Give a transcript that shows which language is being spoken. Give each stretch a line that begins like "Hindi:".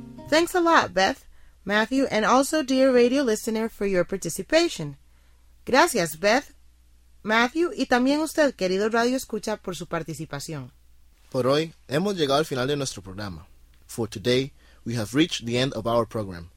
English: Thanks a lot, Beth, Matthew, and also dear radio listener for your participation.
Spanish: Gracias, Beth, Matthew, y también usted, querido radio escucha, por su participación. Por hoy, hemos llegado al final de nuestro programa.
English: For today, we have reached the end of our program.